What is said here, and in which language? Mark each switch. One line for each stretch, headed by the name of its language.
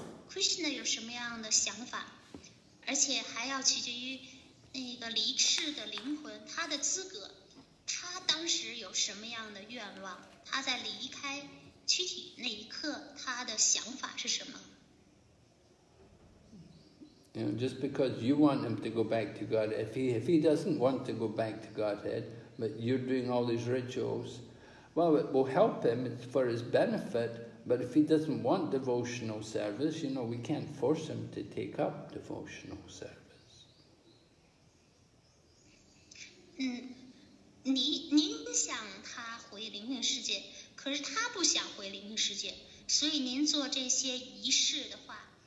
Chinese: Krishna 有什么样的想法，而且还要取决于那个离世的灵魂，他的资格，他当时有什么样的愿望，他在离开躯体那一刻，他的想法是什么？
English: You know, just because you want him to go back to God, if he doesn't want to go back to Godhead, but you're doing all these rituals, well, it will help him, it's for his benefit, but if he doesn't want devotional service, you know, we can't force him to take up devotional service.
Chinese: 您想他回灵性世界，可是他不想回灵性世界，所以您做这些仪式的话。